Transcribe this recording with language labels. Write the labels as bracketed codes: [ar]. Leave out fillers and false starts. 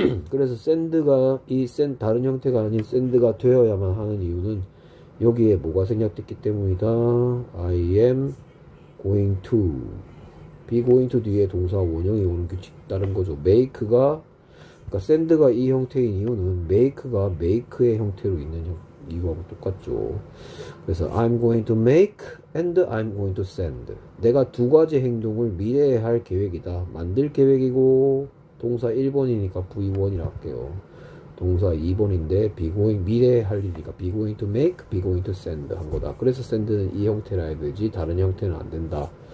[ko] 그래서 send가 이 send 다른 형태가 아닌 send가 되어야만 하는 이유는 여기에 뭐가 생략됐기 때문이다. [en] I am going to. be going to [ko] 뒤에 동사 원형이 오는 규칙 따른 거죠. make가 샌드가 이 형태인 이유는 메이크가 메이크의 형태로 있는 이유하고 똑같죠. 그래서 [en] I'm going to make and I'm going to send. [ko] 내가 두 가지 행동을 미래에 할 계획이다. 만들 계획이고, 동사 1번이니까 V1이라 할게요. 동사 2번인데 be going 미래에 할 일이니까 [en] be going to make, be going to send [ko] 한 거다. 그래서 send는 이 형태라 해야 되지 다른 형태는 안 된다.